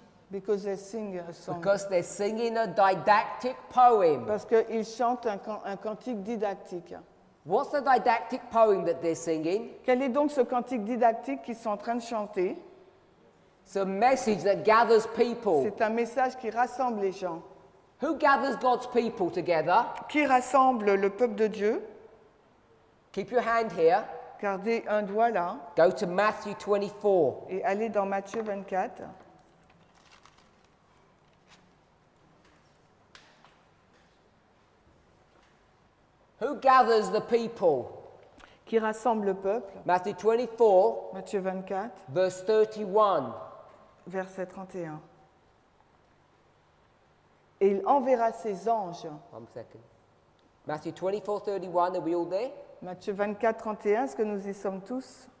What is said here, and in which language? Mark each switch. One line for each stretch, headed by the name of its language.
English: Because they sing a song. Because they're singing a didactic poem.
French: Parce qu'ils chantent un cantique didactique.
English: What's the didactic poem that they're singing?
French: Quel est donc ce cantique didactique qu'ils sont en train de chanter?
English: It's a message that gathers people.
French: C'est un message qui rassemble les gens.
English: Who gathers God's people together?
French: Qui rassemble le peuple de Dieu?
English: Keep your hand here.
French: Gardez un doigt là.
English: Go to Matthew 24.
French: Et allez dans Matthieu 24.
English: Who gathers the people?
French: Qui rassemble le peuple?
English: Matthew 24.
French: Matthieu 24.
English: Verse 31.
French: Verset 31. Et il enverra ses anges.
English: One second. Matthew 24:31, are we all there?
French: Matthieu 24:31, est-ce que nous y sommes tous?